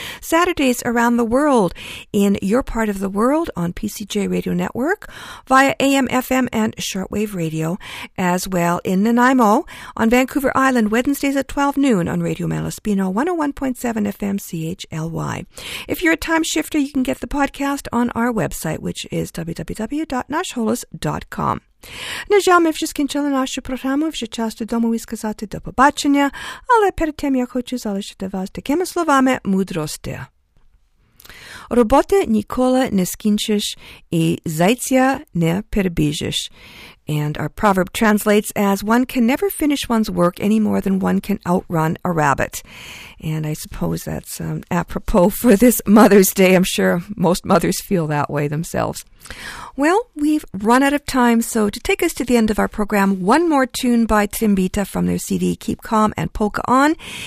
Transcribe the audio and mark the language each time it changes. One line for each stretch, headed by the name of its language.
English: Saturdays around the world in your part of the world on PCJ Radio Network via AM, FM, and shortwave radio, as well in Nanaimo on Vancouver Island Wednesdays at 12 noon on Radio Malaspina 101.7 FM CHLY. If you're a time shifter, you can get the podcast on our website, which is www.nashholos.com.
Ukrainian: На жаль, ми вже скінчили нашу програму, вже час додому і сказати до побачення, але перед тим я хочу залишити вас такими словами мудрості. Роботи ніколи не скінчиш і зайця не перебіжиш.
English: And our proverb translates as, one can never finish one's work any more than one can outrun a rabbit. And I suppose that's apropos for this Mother's Day. I'm sure most mothers feel that way themselves. Well, we've run out of time, so to take us to the end of our program, one more tune by Trimbita from their CD Keep Calm and Polka On.